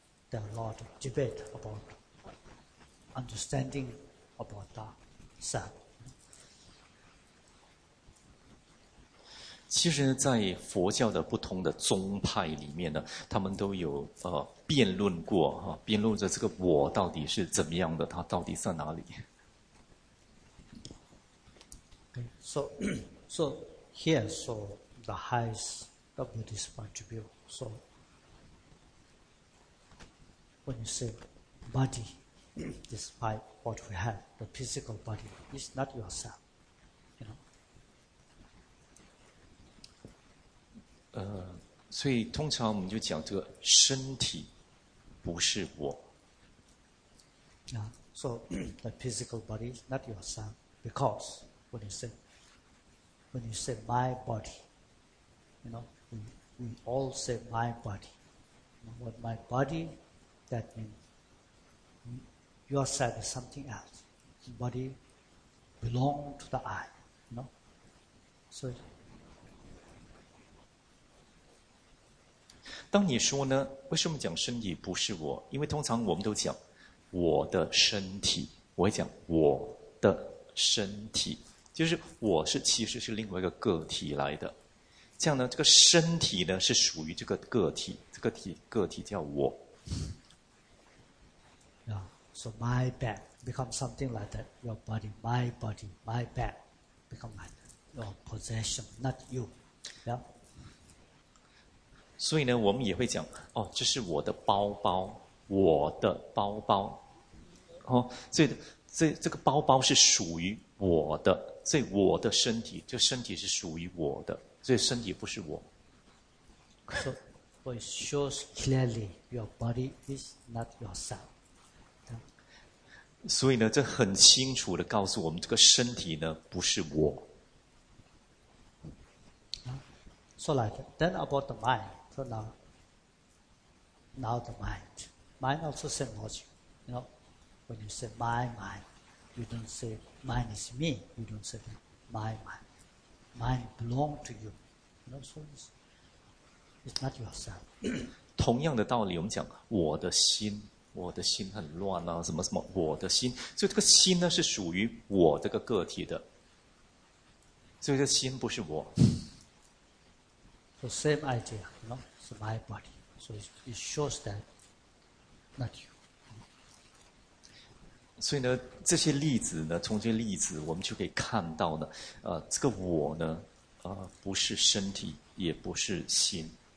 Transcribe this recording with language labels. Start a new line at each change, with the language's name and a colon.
English: There are a lot of debate about understanding about the self.
Chinese: 其实在佛教的不同的宗派里面呢，他们都有辩论过，辩论着这个我到底是怎么样的，它到底在哪里。
English: Okay, so here, so the highest of this attribute, so. When you say body, despite what we have, the physical body is not yourself. You know.
Chinese: 所以通常我们就讲这个身体不是我。
English: Yeah. So the physical body is not yourself because when you say my body, you know, we all say my body. What my body. That means yourself is something else. The body belongs to the I, you know? So,
Chinese: 当你说呢，为什么讲身体不是我？因为通常我们都讲我的身体，我会讲我的身体，就是我是其实是另外一个个体来的。这样呢，这个身体呢是属于这个个体，个体叫我。
English: So my back becomes something like that. Your body, my back become like that. Your possession, not you. Yeah.
Chinese: 所以呢，我们也会讲哦，这是我的包包，我的包包。哦，所以这个包包是属于我的，所以我的身体，这身体是属于我的，所以身体不是我。
English: So it shows clearly your body is not yourself.
Chinese: 所以呢，这很清楚地告诉我们，这个身体呢不是我。
English: So like that. Then about the mind. So now the mind. Mind also same logic. You know, when you say my mind, you don't say mind is me. You don't say my mind. Mind belongs to you. You know, so it's not yourself.
Chinese: 同样的道理，我们讲我的心。我的心很乱啊，什么什么，我的心，所以这个心呢是属于我这个个体的，所以这个心不是我。
English: So same idea, you know, it's my body. So it shows that not you.
Chinese: 所以呢，这些例子呢，从这些例子我们就可以看到呢，这个我呢，不是身体，也不是心。